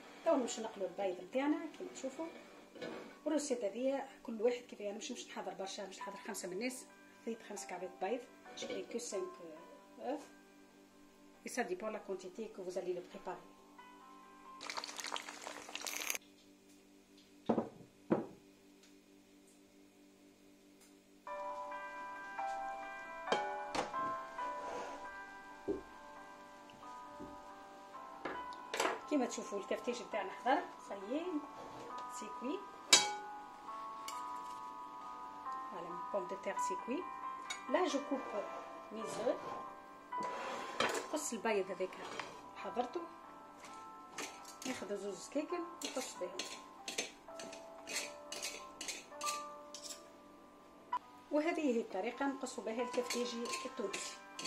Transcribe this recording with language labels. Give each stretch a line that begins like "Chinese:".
Arabic: توا نمشي نقلو البيض نتاعنا كيما تشوفوا. والروسيت هذيا كل واحد كيف يعني مش نحضر برشا، مش نحضر خمسة من الناس. خذيت خمس كعبات بيض شكري كو 5 اوف.
French: Et ça dépend de la quantité que vous allez le préparer. Qui m'a trouvé le café, j'étais en retard. Ça y est, c'est cuit. Voilà, mes pommes de terre, c'est cuit. Là, je coupe mes œufs.
Arabic: نقص البيض هذاك حضرته، ناخذ زوز كيكل نقص بهم، وهذه هي الطريقة نقص بها الكفتيجي التونسي.